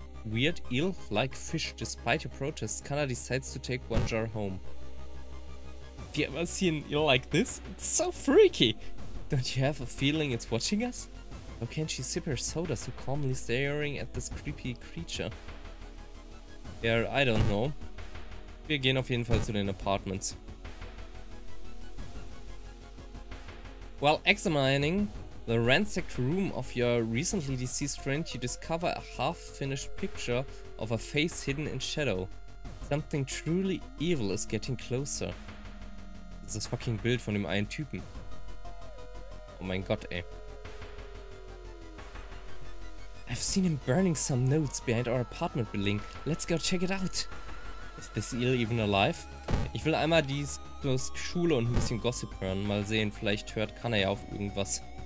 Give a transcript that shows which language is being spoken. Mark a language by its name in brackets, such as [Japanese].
[English] weird eel-like fish despite your protests, Kana decides to take one jar home. Have you ever seen an eel like this? It's so freaky! Don't you have a feeling it's watching us? How can she sip her soda so calmly staring at this creepy creature? Yeah, I don't know. [German] Wir gehen auf jeden Fall zu den Apartments. [English] While examining the ransacked room of your recently deceased friend, you discover a half-finished picture of a face hidden in shadow. Something truly evil is getting closer. [German] Dieses fucking Bild von dem einen Typen. Oh mein Gott, ey. [English] I've seen him burning some notes behind our apartment building. Let's go check it out. Is this eel even alive? [German] Ich will einmal die Schule und ein bisschen Gossip hören. Mal sehen, vielleicht hört Kana ja auf irgendwas.